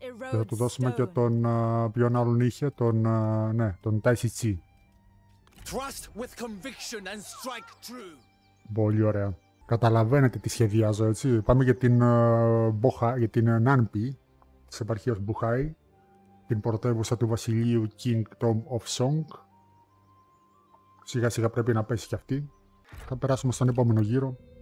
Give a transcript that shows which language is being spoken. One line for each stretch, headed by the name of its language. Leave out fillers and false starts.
Greek: Θα του δώσουμε και τον ποιον άλλον είχε, τον Tai Chi Chi.
English: Trust with conviction and strike true.
Greek: Πολύ ωραία. Καταλαβαίνετε τι σχεδιάζω, έτσι. Πάμε για την Νάνπη της επαρχίας Μπουχάι, την πρωτεύουσα του βασιλείου Kingdom of Song. Σιγά σιγά πρέπει να πέσει κι αυτή. Θα περάσουμε στον επόμενο γύρο.